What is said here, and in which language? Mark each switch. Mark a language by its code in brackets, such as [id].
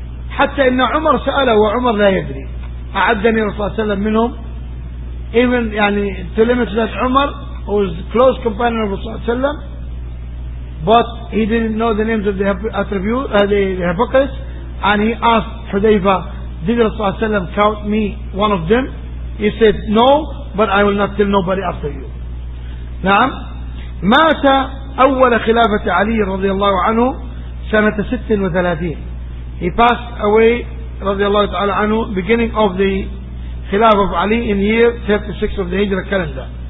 [ar] حتى إن عمر سأله وعمر لا يدري أعدني رسول صلى الله عليه وسلم منهم [en] even يعني to limit that Umar who was close companion of Rasul صلى الله عليه وسلم but he didn't know the names of the hypocrites and he asked Hudhayfah did Rasul صلى الله عليه وسلم count me one of them. He said no but I will not tell nobody after you. [ar] نعم. مات أول خلافة علي رضي الله عنه سنة 36. [en] He passed away رضي الله تعالى عنه beginning of the خلافة of Ali in year 36 of the Hijra calendar.